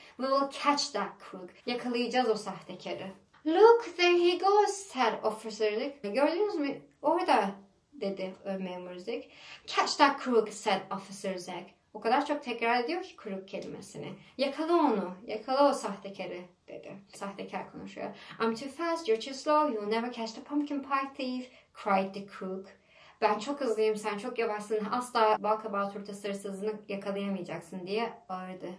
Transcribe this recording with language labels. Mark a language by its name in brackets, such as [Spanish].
[English] We will catch that crook. [Turkish] Yakalayacağız o sahtekarı. [English] Look, there he goes, said Officer Zig. [Turkish] Gördünüz mü? Orada, dedi memur Zig. [English] Catch that crook, said Officer Zig. [Turkish] O kadar çok tekrar ediyor ki crook kelimesini. Yakala onu, yakala o sahtekarı, dedi. Sahtekar konuşuyor. [English] I'm too fast, you're too slow, you'll never catch the pumpkin pie thief, cried the crook. [Turkish] Ben çok hızlıyım, sen çok yavaşsın, asla balkabağ turtası hırsızını yakalayamayacaksın, diye bağırdı.